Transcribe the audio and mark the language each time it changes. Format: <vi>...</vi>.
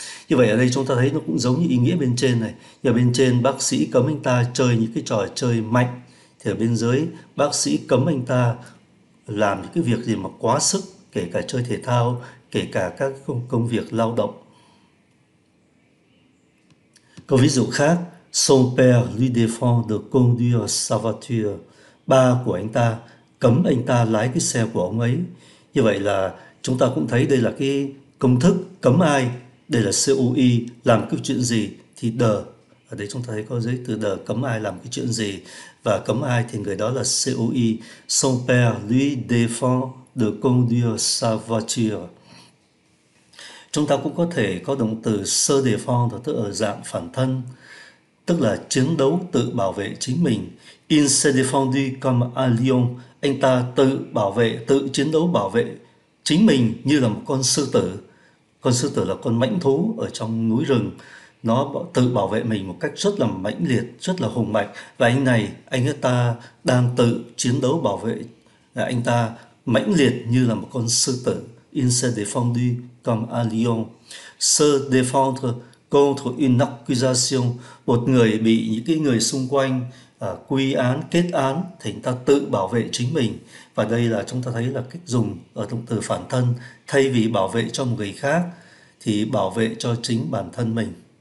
<vi>Như vậy ở đây chúng ta thấy nó cũng giống như ý nghĩa bên trên này. Nhà bên trên bác sĩ cấm anh ta chơi những cái trò chơi mạnh, thì ở bên dưới bác sĩ cấm anh ta làm những cái việc gì mà quá sức, kể cả chơi thể thao, kể cả các công việc lao động. Có ví dụ khác:</vi> <fr>son père lui défend de conduire sa voiture.</fr> <vi>Ba của anh ta cấm anh ta lái cái xe của ông ấy. Như vậy là chúng ta cũng thấy đây là cái công thức cấm ai, đây là COI, làm cái chuyện gì thì de. Ở đây chúng ta thấy có giấy từ de, cấm ai làm cái chuyện gì, và cấm ai thì người đó là COI.</vi> <fr>Son père lui défend de conduire sa voiture.</fr> <vi>Chúng ta cũng có thể có động từ se défendre, tức ở dạng phản thân, tức là chiến đấu tự bảo vệ chính mình.</vi> <fr>Il s'est défendu comme un lion.</fr> <vi>Anh ta tự bảo vệ, tự chiến đấu bảo vệ chính mình như là một con sư tử. Con sư tử là con mãnh thú ở trong núi rừng, Nó tự bảo vệ mình một cách rất là mãnh liệt, rất là hùng mạnh. Và anh này, anh ta đang tự chiến đấu bảo vệ. Anh ta mãnh liệt như là một con sư tử.</vi> <fr>Il s'est défendu comme un lion. Se défendre contre une accusation.</fr> <vi>Một người bị những cái người xung quanh quy án, kết án, thì người ta tự bảo vệ chính mình. Và đây là chúng ta thấy là cách dùng ở động từ phản thân. Thay vì bảo vệ cho một người khác, thì bảo vệ cho chính bản thân mình.</vi>